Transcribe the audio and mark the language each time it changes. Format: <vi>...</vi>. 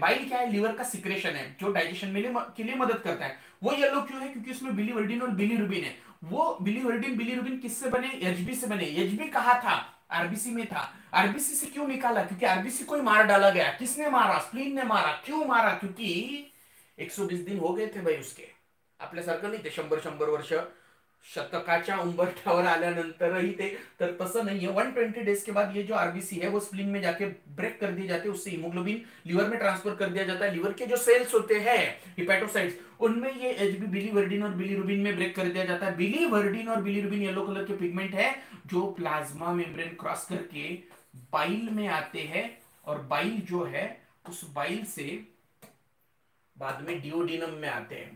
<hi>Bile क्या है, liver का सिक्रेशन है जो डाइजेशन में के लिए मदद करता है। वो येलो क्यों है, क्योंकि उसमें बिलीवर्डिन और बिलीरुबिन है। वो बिलीवर्डिन बिलीरुबिन किससे बने, एचबी से बने। एचबी कहां था, आरबीसी में था। आरबीसी से क्यों निकाला, क्योंकि आरबीसी को ही मार डाला गया। किसने मारा, स्प्लीन ने मारा। क्यों मारा, क्योंकि 120 दिन हो गए थे भाई उसके,</hi> <mr>आपल्या सारखं नाही ते 100 100 वर्ष शतकाच्या उंबरठ्यावर आल्यानंतर ही ते, तर तसं नाही आहे।</mr> <hi>120 डेज के बाद ये जो आरबीसी है वो स्प्लीन में जाके ब्रेक कर दी जाते, उससे हिमोग्लोबिन लिवर में ट्रांसफर कर दिया जाता है। लिवर के जो सेल्स होते हैं हिपेटोसाइट्स, उनमें ये एचबी बिलीवर्डिन और बिलीरुबिन में ब्रेक कर दिया जाता है। बिलीवर्डिन और बिलीरुबिन येलो कलर के पिगमेंट है जो प्लाज्मा मेम्ब्रेन क्रॉस करके बाइल में आते हैं और बाइल जो है उस बाइल से बाद में डियोडिनम में आते हैं।</hi>